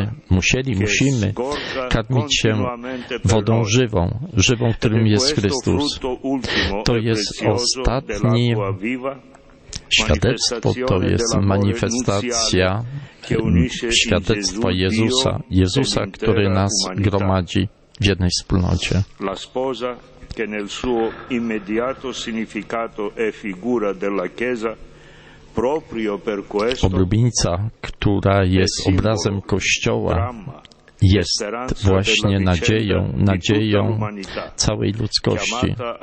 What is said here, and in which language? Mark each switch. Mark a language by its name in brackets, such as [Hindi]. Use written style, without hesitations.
[Polish] Musimy karmić się wodą żywą, którym jest Chrystus. To jest ostatni świadectwo, to jest manifestacja świadectwa Jezusa, który nas gromadzi w jednej wspólnocie. [Italian] che nel suo immediato significato è figura della Chiesa, proprio per questo [Polish] oblubienica, która jest obrazem Kościoła, jest właśnie nadzieją, nadzieją całej ludzkości.